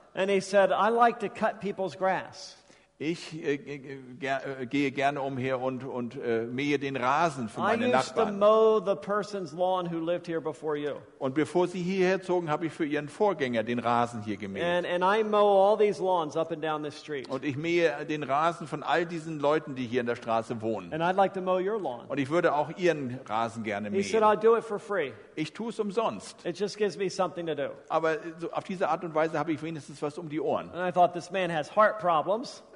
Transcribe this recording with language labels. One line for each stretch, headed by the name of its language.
English: And he said, I like to cut people's grass.
German: Ich gehe gerne umher und mähe den Rasen für meine Nachbarn.
English: I used to mow the person's lawn who lived here before you.
German: Und bevor sie hierher zogen, habe ich für ihren Vorgänger den Rasen hier gemäht.
English: And I mow all these lawns up and down this street.
German: Und ich mähe den Rasen von all diesen Leuten, die hier in der Straße wohnen.
English: And I'd like to mow your lawn.
German: Und ich würde auch ihren Rasen gerne mähen.
English: He said, I'll do it for free.
German: Ich tue es umsonst.
English: It just gives me something to do.
German: Aber so auf diese Art und Weise habe ich wenigstens was um die Ohren.
English: And I thought, this man has heart problems.